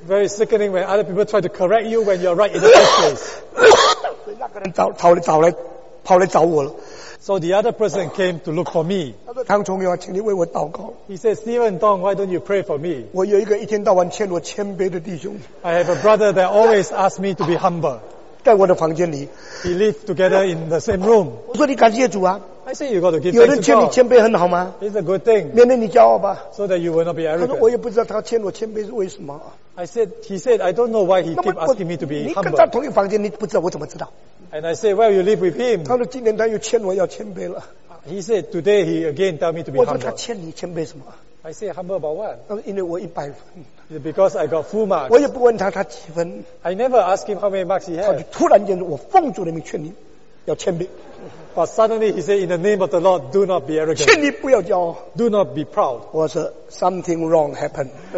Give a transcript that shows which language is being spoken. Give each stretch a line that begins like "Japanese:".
English: Very sickening when other people try to correct you when you're right in the first place.
Chinese: 那个人跑来找我了。
English: So the other person came to look for me.
Chinese: 他说：“唐崇勇，请你为我祷告。”
English: He said, "Stephen Dong, why don't you pray for me?"
Chinese: 我有一个一天到晚劝我谦卑的弟兄。
English: I have a brother that always asks me to be humble.
Chinese: 在我的房间里。
English: He lived together in the same room.
Chinese: 我说：“你感谢主啊。”
English: I said, "You got to give."
Chinese: 有人劝你谦卑很好吗？
English: It's a good thing.
Chinese: 免得你骄傲吧。
English: So that you will not be arrogant.
Chinese: 他说：“我也不知道他劝我谦卑是为什么。”
English: He said, "I don't know why he keep asking me to be humble."
Chinese: 你跟他同一房间，你不知道，我怎么知道？
English: And I said, well, you live with him.
Chinese: 他说今年他又劝我要谦卑了。
English: He said, today he again tell me to be humble.
Chinese: 我说他劝你谦卑什么？
English: I said, humble about what?
Chinese: 他说因为我100分。
English: It's because I got full marks.
Chinese: 我也不问他几分。
English: I never ask him how many marks he had.
Chinese: 他就突然间我奉主的名劝你要谦卑。
English: But suddenly he said, in the name of the Lord, do not be arrogant.
Chinese: 劝你不要骄傲。
English: Do not be proud.
Chinese: 我说
English: something wrong happened.